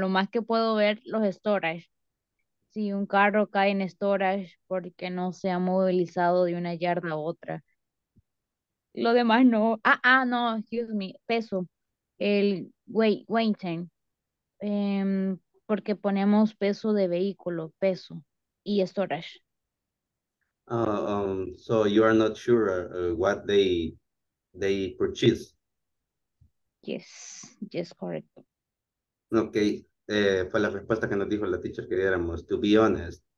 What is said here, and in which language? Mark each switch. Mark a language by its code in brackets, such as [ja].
[es] Lo más que puedo ver los storage. Si un carro cae en storage porque no se ha movilizado de una yarda a otra. Lo demás no. [en] No, excuse me, peso. El weight time. [es] Porque ponemos peso de vehículo, peso y storage. [en] So you are not sure what they purchase. Yes, correct. [es] Okay, fue la respuesta que nos dijo la teacher que diéramos, [en] to be honest.